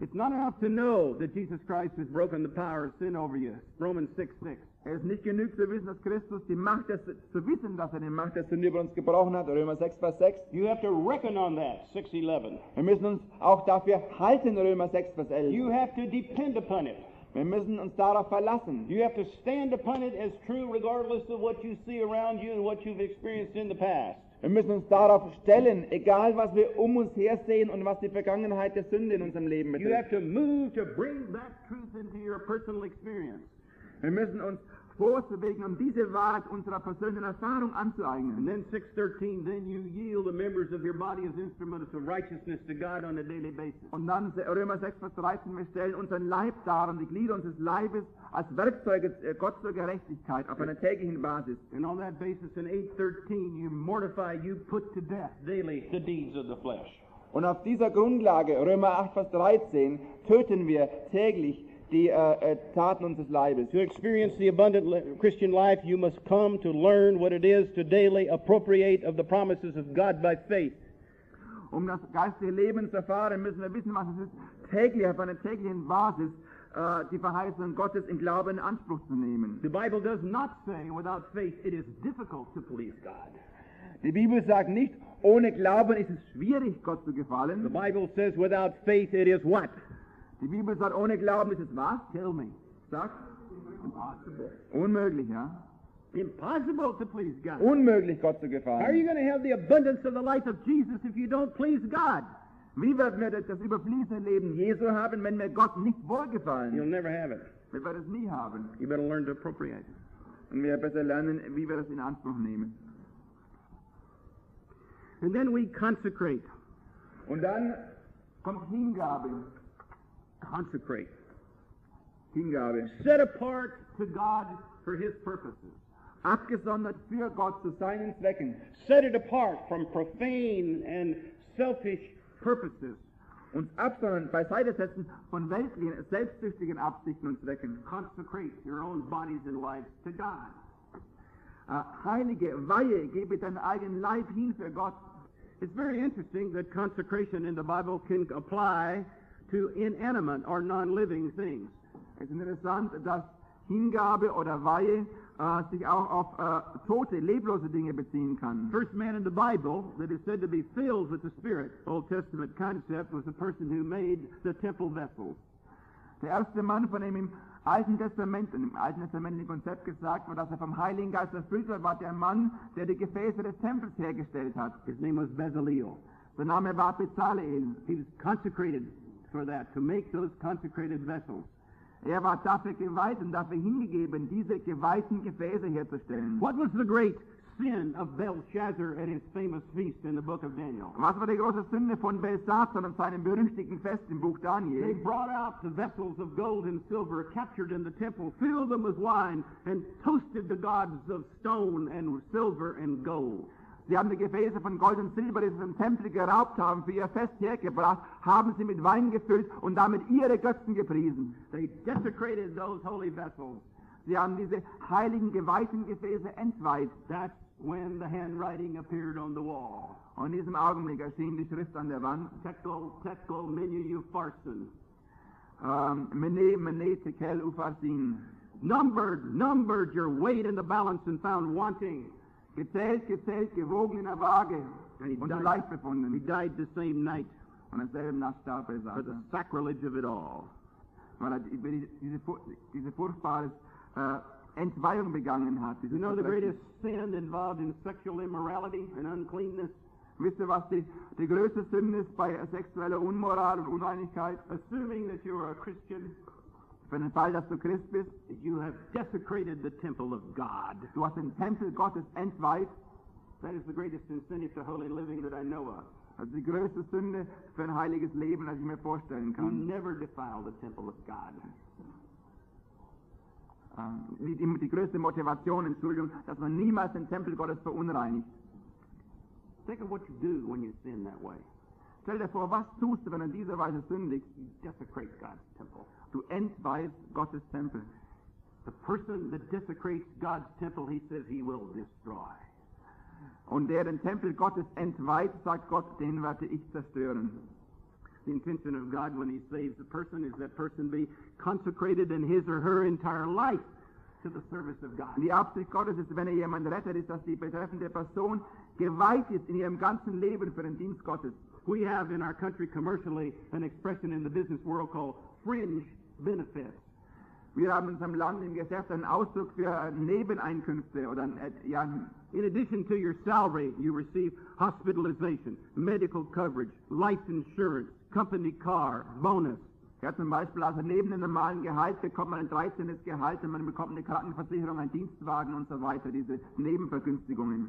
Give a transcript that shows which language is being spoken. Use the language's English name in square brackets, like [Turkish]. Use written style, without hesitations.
[English] It's not enough to know that Jesus Christ has broken the power of sin over you. Romans 6:6. [German] Es ist nicht genug zu wissen, dass Christus die Macht des, zu wissen, dass er die Macht der Sünde über uns gebrochen hat. Römer 6, Vers 6. [English] You have to reckon on that, 6:11. [German] Wir müssen uns auch dafür halten, Römer 6, Vers 11. [English] You have to depend upon it. [German] Wir müssen uns darauf verlassen. [English] You have to stand upon it as true, regardless of what you see around you and what you've experienced in the past. [German] Wir müssen uns darauf stellen, egal was wir um uns her sehen und was die Vergangenheit der Sünde in unserem Leben betrifft. [English] You have to move to bring that truth into your personal experience. [German] Wir müssen uns vorzubewegen, um diese Wahrheit unserer persönlichen Erfahrung anzueignen. [English] And then 6:13, then you yield the members of your body as instruments of righteousness to God on a daily basis. [German] Und dann Römer 6, Vers 13, wir stellen unseren Leib dar und die Glieder unseres Leibes als Werkzeuge Gott zur Gerechtigkeit auf einer täglichen Basis. [English] And on that basis in 8:13, you mortify, you put to death daily the deeds of the flesh. [German] Und auf dieser Grundlage, Römer 8, Vers 13, töten wir täglich die Taten unseres Leibes. [English] To experience the abundant Christian life, you must come to learn what it is to daily appropriate of the promises of God by faith. [German] Um das geistliche Leben zu erfahren, müssen wir wissen, was es ist, täglich auf einer täglichen Basis die Verheißung Gottes im Glauben in Anspruch zu nehmen. [English] The Bible does not say without faith it is difficult to please God. [German] Die Bibel sagt nicht, ohne Glauben ist es schwierig, Gott zu gefallen. [English] The Bible says without faith it is what? [German] Die Bibel sagt, ohne Glauben ist es was? [English] Tell me. [German] Sag. [English] Impossible. [German] Unmöglich, ja? [English] Impossible to please God. [German] Unmöglich, Gott zu gefallen. [English] How are you going to have the abundance of the life of Jesus if you don't please God? [German] Wie werden wir das überfließende Leben Jesu haben, wenn wir Gott nicht wohlgefallen? [English] You'll never have it. [German] Wir werden es nie haben. [English] You better learn to appropriate. [German] Und wir besser lernen, wie wir das in Anspruch nehmen. [English] And then we consecrate. [German] Und dann kommt Hingabe. [English] Consecrate. [German] Hingabe. [English] Set apart to God for his purposes. [German] Abgesondert für Gott zu seinen Zwecken. [English] Set it apart from profane and selfish purposes. [German] Und abgesondert beiseite setzen von weltlichen, selbstsüchtigen Absichten und Zwecken. [English] Consecrate your own bodies and lives to God. [German] Heilige Weihe, gebe deinen eigenen Leib hin für Gott. [English] It's very interesting that consecration in the Bible can apply to inanimate or non-living things. [German] Es ist interessant, dass Hingabe oder Weihe sich auch auf tote, leblose Dinge beziehen kann. [English] First man in the Bible that is said to be filled with the Spirit, Old Testament concept, was the person who made the temple vessels. [German] Der erste Mann, von dem im Alten Testament Konzept gesagt wurde, dass vom Heiligen Geist erfüllt wurde, war der Mann, der die Gefäße des Tempels hergestellt hat. [English] His name was Bezaleel. [German] Sein Name war Bezaleel. [English] He was consecrated for that, to make those consecrated vessels. [German] Er war dafür geweiht und dafür hingegeben, diese geweihten Gefäße herzustellen. [English] What was the great sin of Belshazzar at his famous feast in the book of Daniel? [German] Was war die große Sünde von Belshazzar an seinem berüchtigten Fest im Buch Daniel? [English] They brought out the vessels of gold and silver captured in the temple, filled them with wine, and toasted the gods of stone and silver and gold. [German] Sie haben die Gefäße von Gold und Silber, die sie im Tempel geraubt haben, für ihr Fest hergebracht, haben sie mit Wein gefüllt und damit ihre Götzen gepriesen. [English] They desecrated those holy vessels. [German] Sie haben diese heiligen, geweihten Gefäße entweiht. [English] That's when the handwriting appeared on the wall. [German] Und in diesem Augenblick erschien die Schrift an der Wand. [Aramaic] Tekel, Tekel, Menu, Upharsin. Mene, Mene, Tekel, Upharsin. [English] Numbered your weight in the balance and found wanting. [German] Gezählt, gewogen in der Waage und leicht befunden. [English] He died the same night. [German] Und am selben Nacht starb er. [English] For the sacrilege of it all. [German] Weil diese furchtbare Entweihung begangen hat. [English] You know the greatest sin involved in sexual immorality and uncleanness? [German] Wisst ihr, was die größte Sünde ist bei sexueller Unmoral und Unreinigkeit? [English] Assuming that you are a Christian. [German] Für den Fall, dass du Christ bist, [English] you have desecrated the temple of God. [German] Du hast den Tempel Gottes entweiht. [English] That is the greatest incentive to holy living that I know of. [German] Das ist die größte Sünde für ein heiliges Leben, das ich mir vorstellen kann. [English] You never defile the temple of God. [German] Die größte Motivation, Entschuldigung, dass man niemals den Tempel Gottes verunreinigt. [English] Think of what you do when you sin that way. [German] Stell dir vor, was tust du, wenn du in dieser Weise sündigst? [English] You desecrate God's temple. [German] Du entweihst Gottes Tempel. [English] The person that desecrates God's temple, he says he will destroy. [German] Und der den Tempel Gottes entweiht, sagt Gott, den werde ich zerstören. [English] The intention of God when he saves a person is that person be consecrated in his or her entire life to the service of God. [German] Die Absicht Gottes ist, wenn er jemanden rettet, ist, dass die betreffende Person geweiht ist in ihrem ganzen Leben für den Dienst Gottes. [English] We have in our country commercially an expression in the business world called fringe benefits. [German] Wir haben in unserem Land im Geschäft einen Ausdruck für Nebeneinkünfte oder ja. [English] In addition to your salary, you receive hospitalization, medical coverage, life insurance, company car, bonus. [German] Ja, zum Beispiel, also neben dem normalen Gehalt bekommt man ein 13. Gehalt und man bekommt eine Krankenversicherung, einen Dienstwagen und so weiter, diese Nebenvergünstigungen.